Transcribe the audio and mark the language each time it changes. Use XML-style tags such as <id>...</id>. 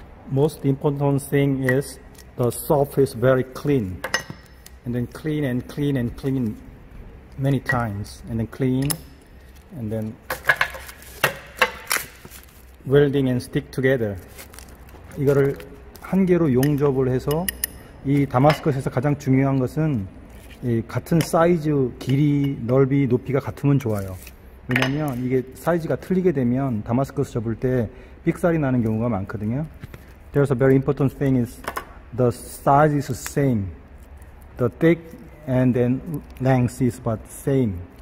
<en>Most important thing is the surface very clean, and then clean and clean and clean many times, and then clean, and then welding and stick together.</en> <ko>이거를 한 개로 용접을 해서 이 다마스커스에서 가장 중요한 것은 같은 사이즈, 길이, 넓이, 높이가 같으면 좋아요. 왜냐면 이게 사이즈가 틀리게 되면 다마스커스 접을 때 삑살이 나는 경우가 많거든요.</ko> <en>There's a very important thing is the size is the same. The thick and then length is about the same.</en>